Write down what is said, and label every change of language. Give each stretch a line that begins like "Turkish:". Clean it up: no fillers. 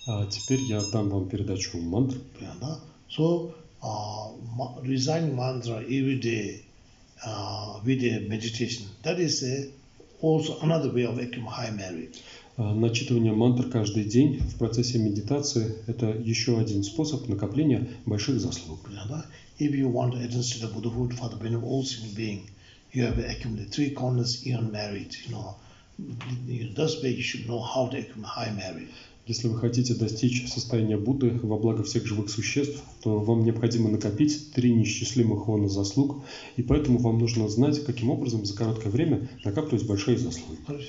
Russian: Теперь я дам вам передачу мантр.
English: So reciting mantra every day with a meditation. That is also another way of making high merit.
Russian: Начитывание мантр каждый день в процессе медитации – это еще один способ накопления больших заслуг.
English: If you want to attain the Buddhahood for the benefit of all single beings, you have accumulated three corners in merit. You know, this way you should know how to accumulate high merit.
Russian: Если вы хотите достичь состояния Будды во благо всех живых существ, то вам необходимо накопить три неисчислимых хона заслуг, и поэтому вам нужно знать, каким образом за короткое время накапливать большие заслуги.